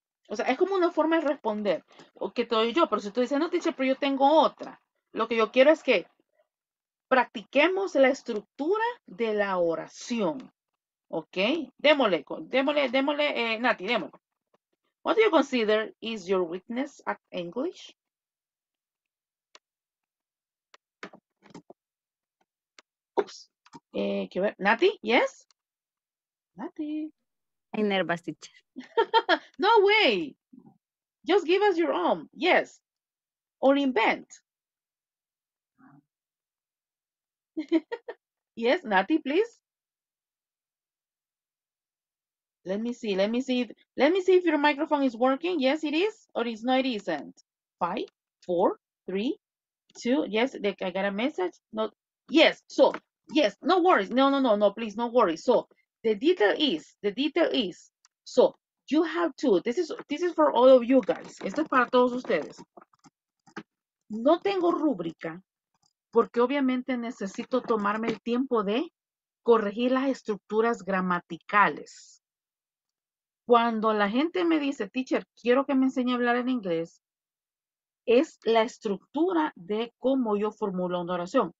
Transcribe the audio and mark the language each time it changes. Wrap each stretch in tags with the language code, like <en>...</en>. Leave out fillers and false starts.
<es>O sea, es como una forma de responder, o que te doy yo, pero si tú dices, no, teacher, pero yo tengo otra. Lo que yo quiero es que practiquemos la estructura de la oración. ¿Ok? Démosle, Nati.</es> <en>What do you consider is your weakness at English? Oops.</en> <es>¿Qué ver?</es> <en>¿Nati? ¿Yes? Nati. I'm nervous, teacher. No way. Just give us your own. Yes. Or invent. Yes, Nati, please. Let me see. Let me see if your microphone is working. Yes, it is. Or it's not, it isn't. 5, 4, 3, 2. Yes, I got a message. No. Yes. So, yes. No worries. No, please. No worries. So, The detail is, so you have to, this is for all of you guys.</en> <es>Esto es para todos ustedes. No tengo rúbrica porque obviamente necesito tomarme el tiempo de corregir las estructuras gramaticales. Cuando la gente me dice, teacher, quiero que me enseñe a hablar en inglés, es la estructura de cómo yo formulo una oración.</es>